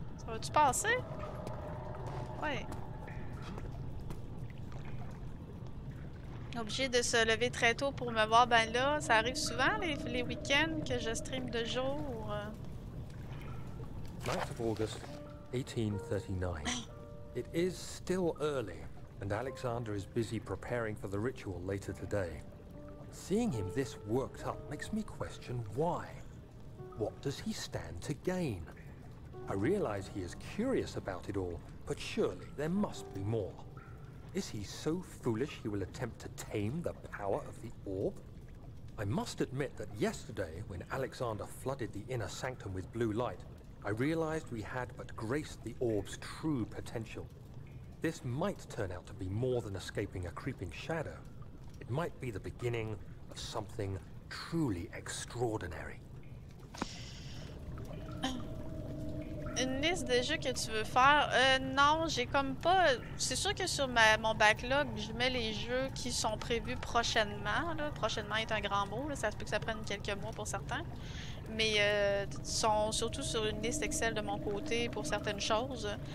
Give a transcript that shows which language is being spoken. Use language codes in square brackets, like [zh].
[fr] Oh. Tu passes? Ouais. Obligé de se lever très tôt pour me voir. Ben là, ça arrive souvent les week-ends que je stream de jour. [en] 9 August 1839. It is still early, and Alexander is busy preparing for the ritual later today. Seeing him this worked up makes me question why. What does he stand to gain? I realize he is curious about it all, but surely there must be more. Is he so foolish he will attempt to tame the power of the orb? I must admit that yesterday, when Alexander flooded the inner sanctum with blue light, I realized we had but graced the orb's true potential. This might turn out to be more than escaping a creeping shadow. It might be the beginning of something truly extraordinary. [fr] Une liste de jeux que tu veux faire? Non, j'ai comme pas... C'est sûr que sur mon backlog, je mets les jeux qui sont prévus prochainement. Là. Prochainement est un grand mot. Là. Ça se peut que ça prenne quelques mois pour certains. Mais sont surtout sur une liste Excel de mon côté pour certaines choses.